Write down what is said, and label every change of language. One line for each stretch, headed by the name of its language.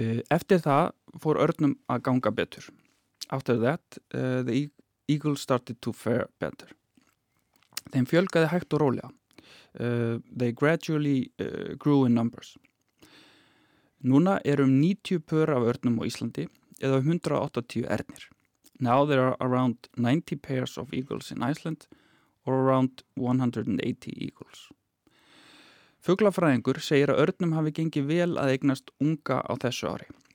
Icelandic: Eftir það fór örnum að ganga betur.
English: After that, the eagles started to fare better.
Icelandic: Þeim fjölgaði hægt og rólega.
English: They gradually grew in numbers.
Icelandic: Núna 90 pör af örnum á Íslandi eða 180 ernir.
English: Now there are around 90 pairs of eagles in Iceland or around 180 eagles.
Icelandic: Fuglafræðingur segir að örnum hafi gengið vel að eignast unga á þessu ári.